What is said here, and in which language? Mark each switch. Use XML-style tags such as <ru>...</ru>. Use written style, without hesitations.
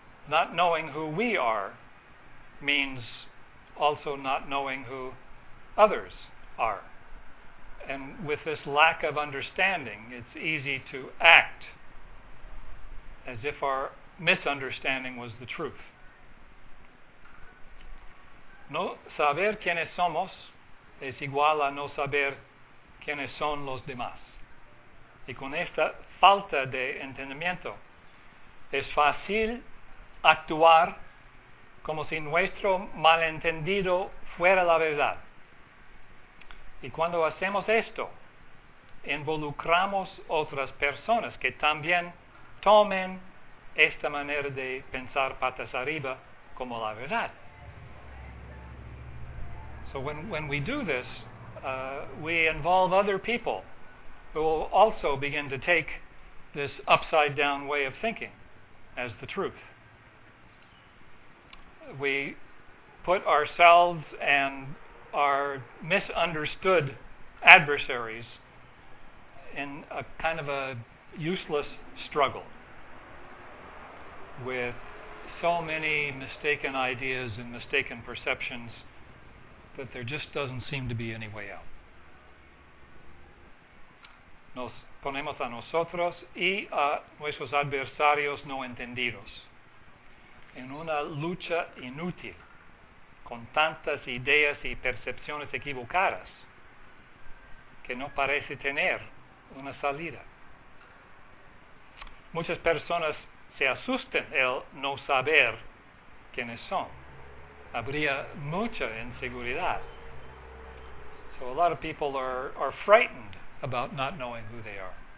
<en>Not knowing who we are means also not knowing who others are. And with this lack of understanding, it's easy to act as if our misunderstanding was the truth.</en> <es>No saber quiénes somos es igual a no saber quiénes son los demás. Y con esta falta de entendimiento, es fácil actuar como si nuestro malentendido fuera la verdad. Y cuando hacemos esto, involucramos otras personas que también tomen esta manera de pensar patas arriba como la verdad.</es> <en>So when we do this, we involve other people who will also begin to take this upside-down way of thinking as the truth. We put ourselves and our misunderstood adversaries in a kind of a useless struggle with so many mistaken ideas and mistaken perceptions that there just doesn't seem to be any way out. Nos ponemos a nosotros y a nuestros adversarios no entendidos en una lucha inútil con tantas ideas y percepciones equivocadas que no parece tener una salida.</en> <es>Muchas personas se asustan el no saber quiénes son. Habría mucha inseguridad.</es> <en>So a lot of people are frightened about not knowing who they are.</en>